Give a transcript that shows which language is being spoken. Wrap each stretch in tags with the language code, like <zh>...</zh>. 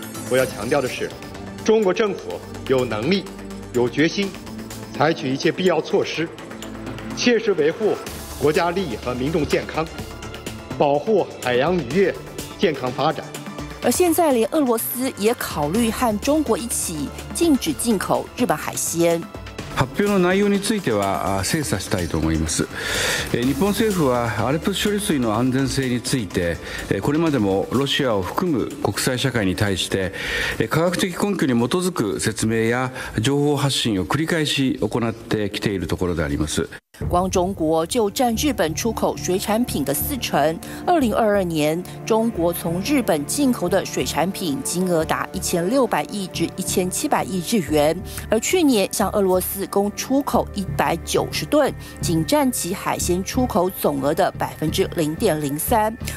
<zh>我要强调的是，中国政府有能力有决心采取一切必要措施，切实维护国家利益和民众健康，保护海洋渔业健康发展。而现在连俄罗斯也考虑和中国一起禁止进口日本海鲜。</zh> <ja>発表の内容については精査したいと思います。日本政府はアルプス処理水の安全性についてこれまでもロシアを含む国際社会に対して科学的根拠に基づく説明や情報発信を繰り返し行ってきているところであります。</ja> <zh>光中国就占日本出口水产品的40%。 2022年，中国从日本进口的水产品金额达1600亿至1700亿日元，而去年向俄罗斯共出口190吨，仅占其海鲜出口总额的0.03%。</zh>